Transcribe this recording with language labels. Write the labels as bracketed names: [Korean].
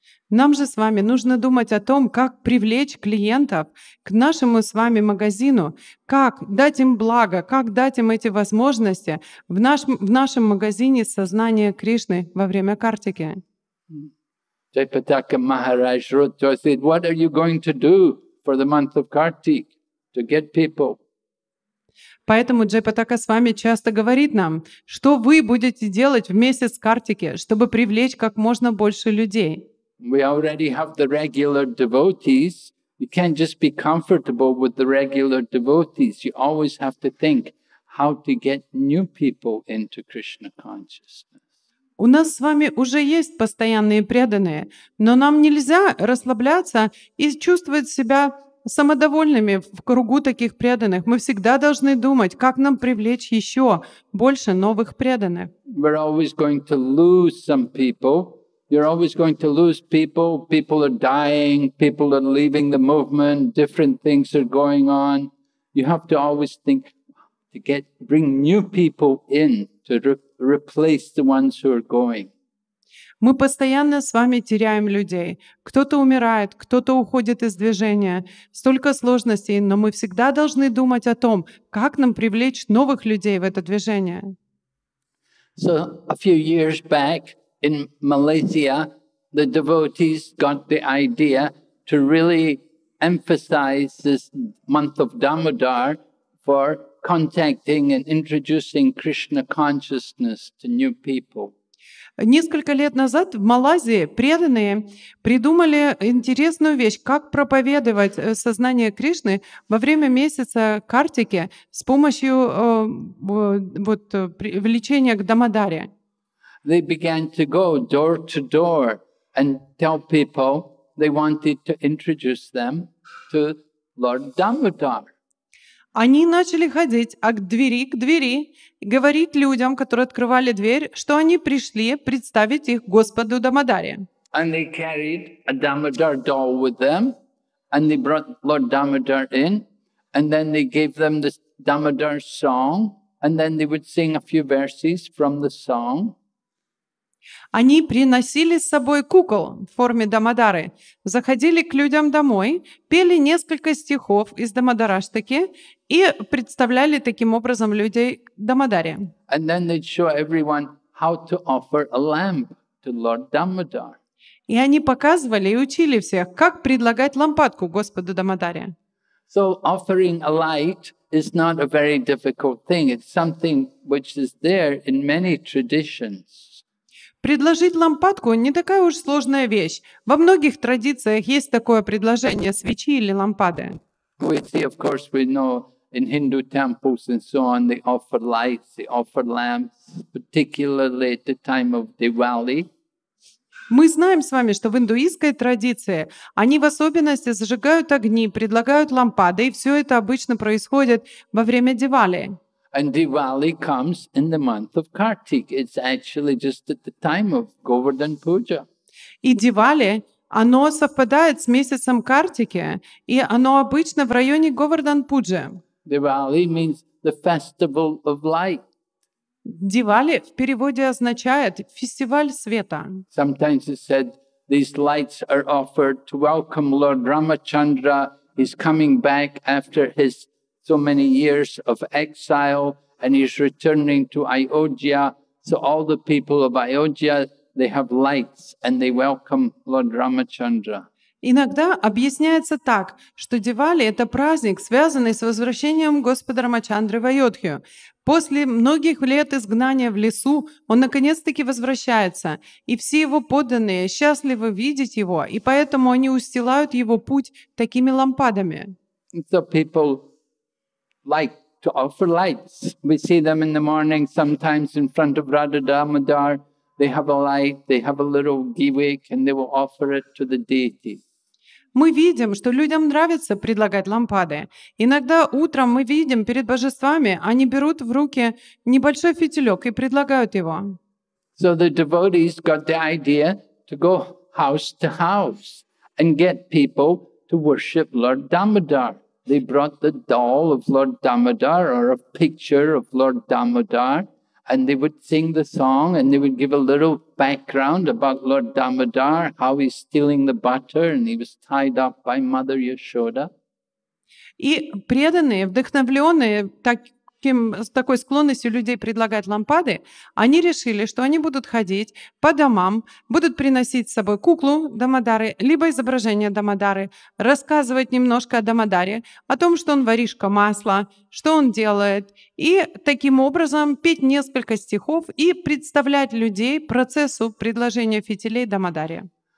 [Russian] Нам же с вами нужно думать о том, как привлечь клиентов к нашему с вами магазину, как дать им благо, как дать им эти возможности в нашем магазине сознания Кришны во время Картики. [English] Jaipataka Maharaj wrote to us, said, what are you going to do for the month of Kartik to get people? [Russian] Поэтому Джайпатака Свами часто говорит нам, что вы будете делать в месяц Картики, чтобы привлечь как можно больше людей. [English] We already have the regular devotees. You can't just be comfortable with the regular devotees. You always have to think how to get new people into Krishna consciousness. [Russian] У нас с вами уже есть постоянные преданные, но нам нельзя расслабляться и чувствовать себя самодовольными в кругу таких преданных. Мы всегда должны думать, как нам привлечь еще больше новых преданных. [English] We're always going to lose some people. You're always going to lose people. People are dying. People are leaving the movement. Different things are going on. You have to always think to bring new people in to replace the ones who are going. [Russian] Мы постоянно с вами теряем людей. Кто-то умирает, кто-то уходит из движения. Столько сложностей, но мы всегда должны думать о том, как нам привлечь новых людей в это движение. [English] So a few years back, in Malaysia, the devotees got the idea to really emphasize this month of Damodar for contacting and introducing Krishna consciousness to new people. [Russian] Несколько лет назад в Малайзии преданные придумали интересную вещь, как проповедовать сознание Кришны во время месяца Картики с помощью вот привлечения к Дамодаре. [English] They began to go door to door and tell people they wanted to introduce them to Lord Damodar. [Russian] Они начали ходить к двери, говорить людям, которые открывали дверь, что они пришли представить их Господу Дамодаре. [English] And they carried a Damodar doll with them, and they brought Lord Damodar in, and then they gave them the Damodar song, and then they would sing a few verses from the song. [Russian] Они приносили с собой кукол в форме Дамодары, заходили к людям домой, пели несколько стихов из Дамодараштаки и представляли таким образом людей Дамодаре. [English] And then they'd show everyone how to offer a lamp to Lord Damodar. [Russian] И они показывали и учили всех, как предлагать лампадку Господу Дамодаре. [English] So offering a light is not a very difficult thing. It's something which is there in many traditions. [Russian] Предложить лампадку не такая уж сложная вещь. Во многих традициях есть такое предложение свечи или лампады. [English] We see, of course, we know in Hindu temples and so on, they offer lights, they offer lamps, particularly at the time of Diwali. [Russian] Мы знаем с вами, что в индуистской традиции они в особенности зажигают огни, предлагают лампады, и все это обычно происходит во время Дивали. [English] And Diwali comes in the month of Kartik. It's actually just at the time of Govardhan Puja. [Russian] И Дивали, оно совпадает с месяцем Картики, и оно обычно в районе Govardhan Puja. [English] Diwali means the festival of light. [Russian] Дивали в переводе означает фестиваль света. [English] Sometimes it's said these lights are offered to welcome Lord Ramachandra. He's coming back after his so many years of exile, and he's returning to Ayodhya. So all the people of Ayodhya, they have lights, and they welcome Lord Ramachandra. [Russian] Иногда объясняется так, что Дивали — это праздник, связанный с возвращением Господа Рамачандры в Айодхью. После многих лет изгнания в лесу он наконец-таки возвращается, и все его подданные счастливы видеть его, и поэтому они устилают его путь такими лампадами. [English] So people like to offer lights. We see them in the morning sometimes in front of Radha Damodar. They have a light, they have a little giwik, and they will offer it to the deity. [Russian] Мы видим, что людям нравится предлагать лампады. Иногда утром мы видим перед божествами, они берут в руки небольшой фитилек и предлагают его. [English] So the devotees got the idea to go house to house and get people to worship Lord Damodar. They brought the doll of Lord Damodar or a picture of Lord Damodar, and they would sing the song and they would give a little background about Lord Damodar, how he's stealing the butter and he was tied up by Mother Yashoda. [Russian] И преданные, вдохновленные такой склонностью людей предлагать лампады, они решили, что они будут ходить по домам, будут приносить с собой куклу Дамодары, либо изображение Дамодары, рассказывать немножко о Дамодаре, о том, что он воришка масла, что он делает, и таким образом петь несколько стихов и представлять людей процессу предложения фитилей Дамодаре.